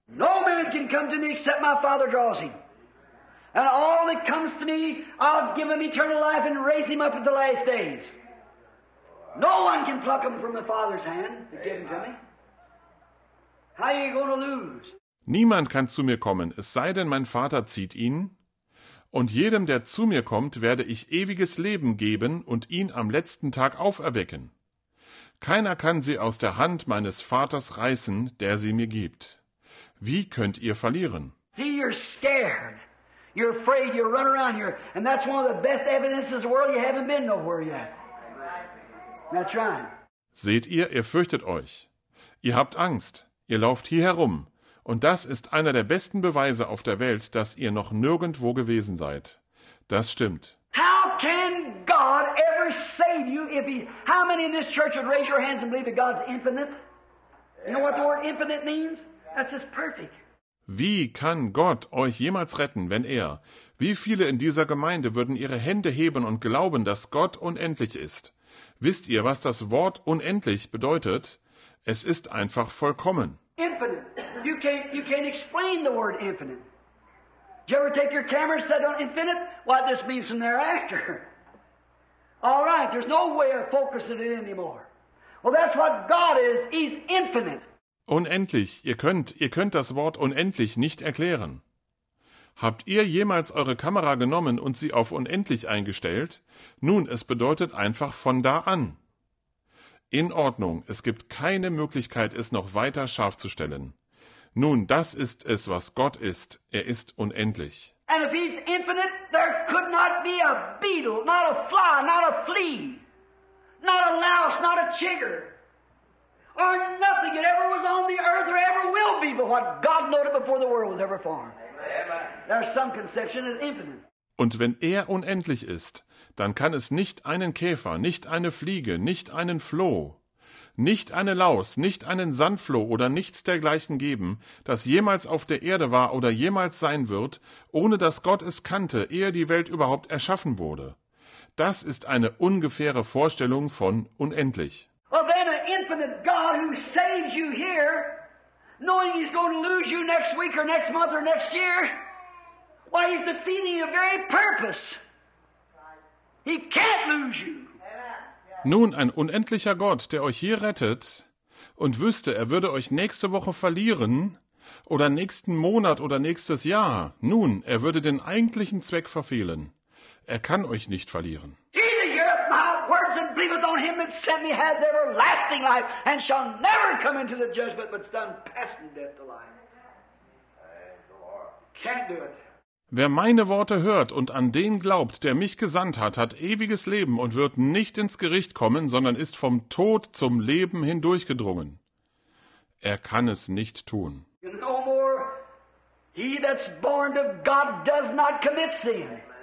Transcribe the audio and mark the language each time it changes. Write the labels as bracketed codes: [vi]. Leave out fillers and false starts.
[en] No man can come to me except my Father draws him. And all that comes to me, I'll give him eternal life and raise him up at the last days. No one can pluck him from the Father's hand to give him to me. How are you going to lose? [de] Niemand kann zu mir kommen, es sei denn, mein Vater zieht ihn. Und jedem, der zu mir kommt, werde ich ewiges Leben geben und ihn am letzten Tag auferwecken. Keiner kann sie aus der Hand meines Vaters reißen, der sie mir gibt. Wie könnt ihr verlieren? [en] See, you're scared. You're afraid. You're running around here. And that's one of the best evidences in the world you haven't been nowhere yet. That's right. [de] Seht ihr, ihr fürchtet euch. Ihr habt Angst. Ihr lauft hier herum. Und das ist einer der besten Beweise auf der Welt, dass ihr noch nirgendwo gewesen seid. Das stimmt. [en] How can God ever save you if he... How many in this church would raise your hands and believe that God's infinite? You know what the word infinite means? That's just perfect. [de] Wie kann Gott euch jemals retten, wenn er... Wie viele in dieser Gemeinde würden ihre Hände heben und glauben, dass Gott unendlich ist? Wisst ihr, was das Wort unendlich bedeutet? Es ist einfach vollkommen. [en] Infinite. You can't explain the word infinite. Did you ever take your camera set on infinite? Why, this means from thereafter. All right, there's no way of focusing it anymore. Well, that's what God is. He's infinite. [de] Unendlich. Ihr könnt das Wort unendlich nicht erklären. Habt ihr jemals eure Kamera genommen und sie auf unendlich eingestellt? Nun, es bedeutet einfach von da an. In Ordnung, es gibt keine Möglichkeit, es noch weiter scharf zu stellen. Nun, das ist es, was Gott ist. Er ist unendlich. [en] And if he's infinite, there could not be a beetle, not a fly, not a flea, not a louse, not a chigger, or nothing that ever was on the earth or ever will be but what God noted before the world was ever formed. There's some conception of infinite. [de] Und wenn er unendlich ist, dann kann es nicht einen Käfer, nicht eine Fliege, nicht einen Floh, nicht eine Laus, nicht einen Sandfloh oder nichts dergleichen geben, das jemals auf der Erde war oder jemals sein wird, ohne dass Gott es kannte, ehe die Welt überhaupt erschaffen wurde. Das ist eine ungefähre Vorstellung von unendlich. [en] Well, then an infinite God who saves you here, knowing he's going to lose you next week or next month or next year, why, he's defeating your very purpose. He can't lose you. [de] Nun, ein unendlicher Gott, der euch hier rettet und wüsste, er würde euch nächste Woche verlieren oder nächsten Monat oder nächstes Jahr. Nun, er würde den eigentlichen Zweck verfehlen. Er kann euch nicht verlieren. [en] Jesus, heareth my words and believeth on him that sent me has everlasting life and shall never come into the judgment but stand past in death to life. Can't do it. [de] Wer meine Worte hört und an den glaubt, der mich gesandt hat, hat ewiges Leben und wird nicht ins Gericht kommen, sondern ist vom Tod zum Leben hindurchgedrungen. Er kann es nicht tun. [en] No more. He that's born of God does not commit sin.